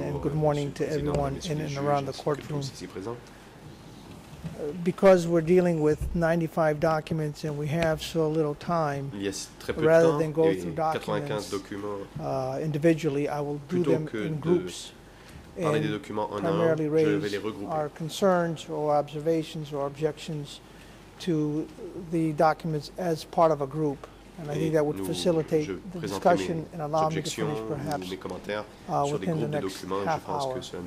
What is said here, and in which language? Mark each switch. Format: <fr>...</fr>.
<en>And good morning to everyone in and around the courtroom. Because we're dealing with 95 documents and we have so little time, rather than go through documents individually, I will do them in groups.</en> <fr>Parler des documents en un, je vais les regrouper.</fr> <en>Our concerns or observations or objections to the documents as part of a group, and I think that would facilitate the discussion and allow me to finish perhaps within the next half hour.</en>